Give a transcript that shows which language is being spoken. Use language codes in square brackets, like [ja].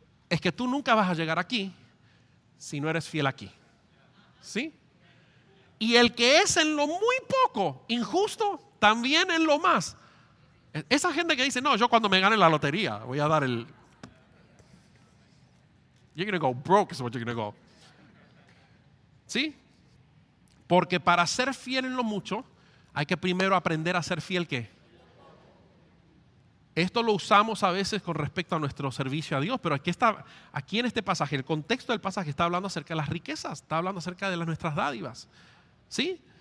[es] Es que tú nunca vas a llegar aquí si no eres fiel aquí. ¿Sí? Y el que es en lo muy poco, injusto, también en lo más. Esa gente que dice, no, yo cuando me gane la lotería voy a dar el... [en] You're going to go broke is what you're going to go. [es] ¿Sí? Porque para ser fiel en lo mucho, hay que primero aprender a ser fiel, ¿qué? Esto lo usamos a veces con respecto a nuestro servicio a Dios, pero aquí en este pasaje, el contexto del pasaje está hablando acerca de las riquezas, está hablando acerca de nuestras dádivas. ¿Sí?